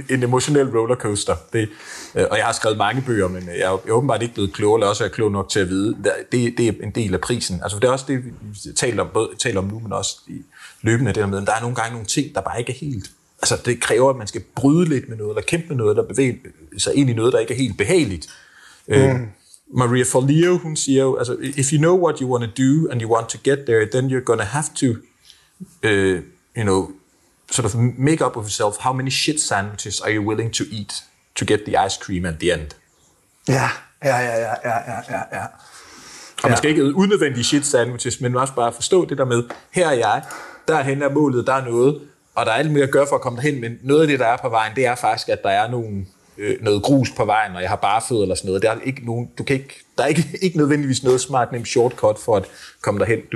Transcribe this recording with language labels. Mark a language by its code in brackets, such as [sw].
[da] en emotionel rollercoaster. Og jeg har skrevet mange bøger, men jeg er åbenbart ikke blevet klog, eller også er klog nok til at vide. Det er en del af prisen. Altså, det er også det, vi taler om nu, men også løbende det der med, at der er nogle gange nogle ting, der bare ikke er helt... Altså, det kræver, at man skal bryde lidt med noget, eller kæmpe med noget, eller bevæge sig ind i noget, der ikke er helt behageligt. Mm. [en] Maria Forleo, [da] hun siger jo, altså, [en] if you know what you want to do, and you want to get there, then you're gonna have to, you know, sort of make up of yourself, how many shit sandwiches are you willing to eat to get the ice cream at the end. [da] Ja. Og man skal ikke unødvendige shit sandwiches, men man også bare forstå det der med, her er jeg, derhen er målet, der er noget, og der er alt mere at gøre for at komme derhen, men noget af det, der er på vejen, det er faktisk, at der er noget grus på vejen, og jeg har barfødder eller sådan noget. Der er ikke nogen, du kan ikke, der er ikke nødvendigvis noget smart, nemt shortcut for at komme derhen.